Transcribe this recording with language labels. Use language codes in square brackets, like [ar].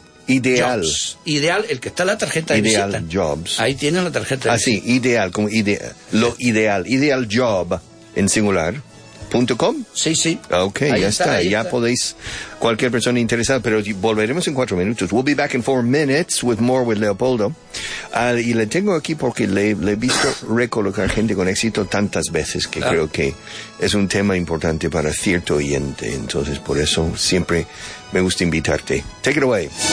[es] Ideal. Jobs. Ideal, el que está en la tarjeta de ideal visita. Ideal Jobs. Ahí tienes la tarjeta de visita. Ah, sí, Ideal, como ideal. Lo ideal. Ideal Job, en singular... .com? Sí, sí. Ok, ahí ya está. Ahí ya está. Podéis, cualquier persona interesada, pero volveremos en 4 minutos. [en] We'll be back in 4 minutes with more with Leopoldo. [es] Y le tengo aquí porque le he visto recolocar gente con éxito tantas veces que creo que es un tema importante para cierto oyente. Entonces, por eso siempre me gusta invitarte. [en] Take it away.